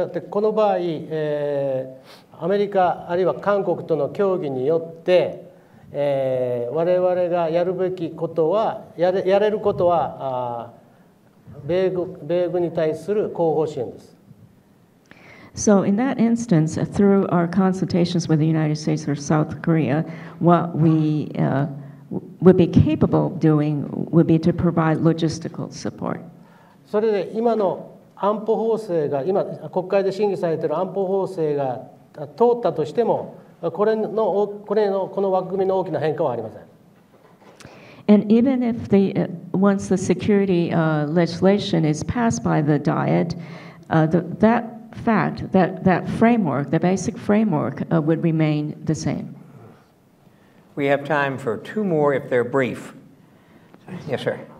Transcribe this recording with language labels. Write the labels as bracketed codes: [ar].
[ja] この場合、アメリカあるいは韓国との協議によって、我々がやるべきことは、やれることは、米軍に対する後方支援です。 [en] So in that instance, through our consultations with the United States or South Korea, what we would be capable of doing would be to provide logistical support. [ja] それで今の安保法制が今国会で審議されている安保法制が通ったとしても、この枠組みの大きな変化はありません。 [en] And even if the once the security legislation is passed by the Diet, that fact that framework, the basic framework, would remain the same. We have time for two more if they're brief. Yes, sir.